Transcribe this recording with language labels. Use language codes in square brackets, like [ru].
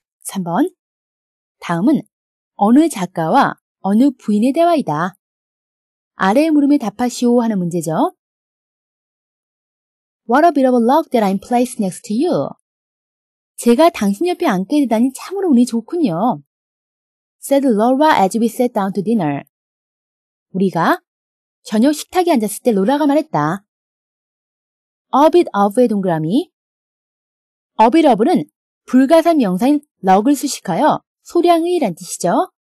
[ko] 3번 다음은 어느 작가와 어느 부인의 대화이다. 아래 물음에 답하시오 하는 문제죠. [en] What a bit of a luck that I'm placed next to you. [ko] 제가 당신 옆에 앉게 되다니 참으로 운이 좋군요. [en] Said Laura as we sat down to dinner. [ko] 우리가 저녁 식탁에 앉았을 때 로라가 말했다. A bit of의 동그라미 A bit of는 불가산 명사인 luck을 수식하여 소량의란 뜻이죠.